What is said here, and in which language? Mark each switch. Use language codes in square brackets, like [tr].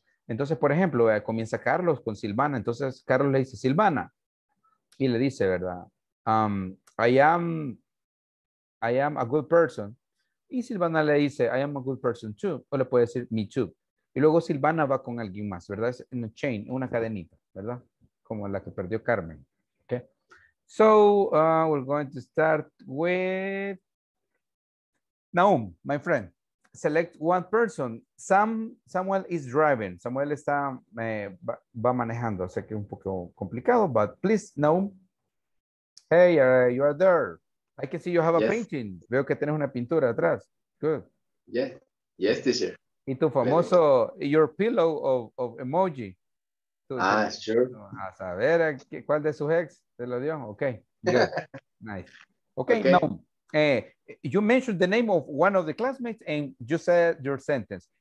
[es] Entonces, por ejemplo, comienza Carlos con Silvana. Entonces, Carlos le dice, Silvana. Y le dice, ¿verdad? [en] I am a good person. [es] Y Silvana le dice, [en] I am a good person too. [es] O le puede decir, [en] me too. [es] Y luego Silvana va con alguien más, ¿verdad? Es una chain, una cadenita, ¿verdad? Como la que perdió Carmen. [en] So, we're going to start with Naum, my friend. Select one person. Samuel is driving. [es] Samuel está va manejando. Sé que es un poco complicado, [en] but please, Naum. Hey, you are there. I can see you have a yes. painting. [es] Veo que tienes una pintura atrás. [en] Good. Yeah. Yes, teacher. [es] Y tu famoso, [en] your pillow of emoji. Sure. [es] A saber cuál de sus ex te lo dio. [en] Okay. Nice. Okay, okay. Now, you mentioned the name of one of the classmates and you said your sentence.